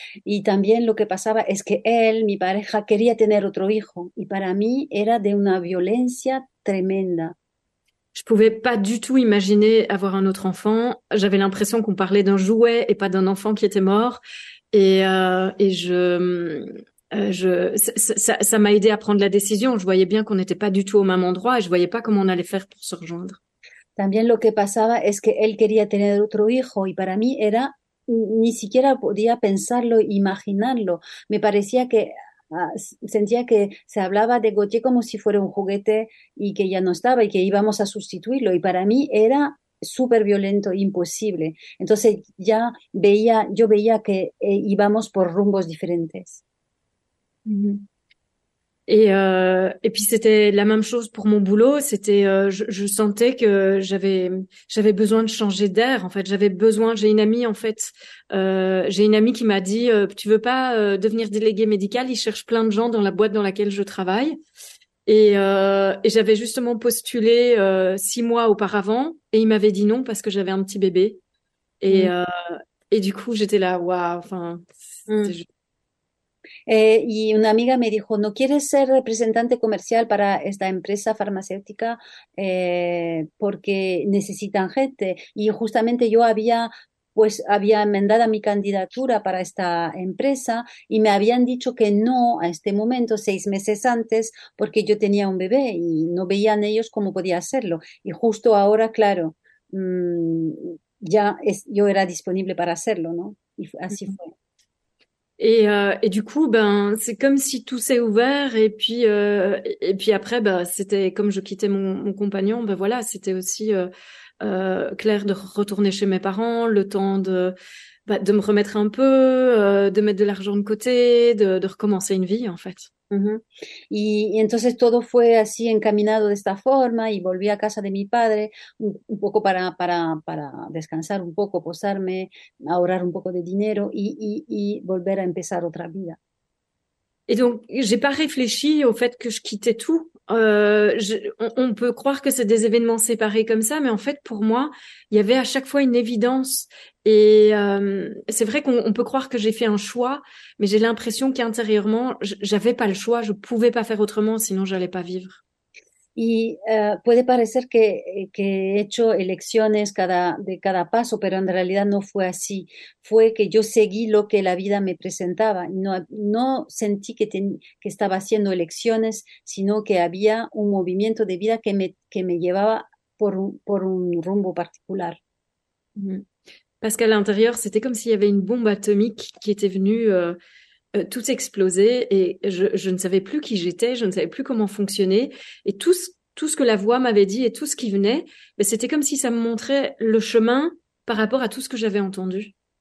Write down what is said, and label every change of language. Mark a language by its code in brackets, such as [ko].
[es] Y también lo que pasaba es que él, mi pareja, quería tener otro hijo. Y para mí era de una violencia tremenda. [fr] Je pouvais pas du tout imaginer avoir un autre enfant. J'avais l'impression qu'on parlait d'un jouet et pas d'un enfant qui était mort. Ça m'a aidé à prendre la décision. Je voyais bien qu'on n'était pas du tout au même endroit et je voyais pas comment on allait faire pour se rejoindre. [es] También lo que pasaba es que él quería tener otro hijo y para mí era ni siquiera podía pensarlo, imaginarlo. Me parecía que sentía que se hablaba de Gautier como si fuera un juguete y que ya no estaba y que íbamos a sustituirlo y para mí era súper violento, imposible. Entonces ya veía, yo veía que íbamos por rumbos diferentes. [fr] Et puis c'était la même chose pour mon boulot. Je sentais que j'avais besoin de changer d'air. En fait, j'ai une amie qui m'a dit, tu veux pas devenir déléguée médicale? Ils cherchent plein de gens dans la boîte dans laquelle je travaille. Et j'avais justement postulé 6 mois auparavant et il m'avait dit non parce que j'avais un petit bébé. Et du coup, j'étais là, waouh, enfin. [es] Y una amiga me dijo, ¿no quieres ser representante comercial para esta empresa farmacéutica? Porque necesitan gente. Y justamente yo había enmendado mi candidatura para esta empresa y me habían dicho que no a este momento, 6 meses antes, porque yo tenía un bebé y no veían ellos cómo podía hacerlo. Y justo ahora, claro, yo era disponible para hacerlo, ¿no? Y así fue. [fr] Et du coup, ben, c'est comme si tout s'est ouvert. Et puis après, ben, c'était comme je quittais mon compagnon. Ben voilà, c'était aussi clair de retourner chez mes parents, le temps de me remettre un peu, de mettre de l'argent de côté, de recommencer une vie en fait. Uh-huh. [es] Y entonces todo fue así encaminado de esta forma y volví a casa de mi padre un poco para descansar un poco, posarme, ahorrar un poco de dinero y volver a empezar otra vida. [fr] Et donc, j'ai pas réfléchi au fait que je quittais tout. On peut croire que c'est des événements séparés comme ça, mais en fait, pour moi, il y avait à chaque fois une évidence. C'est vrai qu'on peut croire que j'ai fait un choix, mais j'ai l'impression qu'intérieurement, j'avais pas le choix, je pouvais pas faire autrement, sinon j'allais pas vivre. [es] Puede parecer que he hecho elecciones de cada paso, pero en realidad no fue así. Fue que yo seguí lo que la vida me presentaba. No sentí que estaba haciendo elecciones, sino que había un movimiento de vida que me llevaba por un rumbo particular. [fr] Parce qu'à l'intérieur, c'était comme s'il y avait une bombe atomique qui était venue tout exploser et je ne savais plus qui j'étais, je ne savais plus comment fonctionner et tout ce que la voix m'avait dit et tout ce qui venait, mais c'était comme si ça me montrait le chemin par rapport à tout ce que j'avais entendu.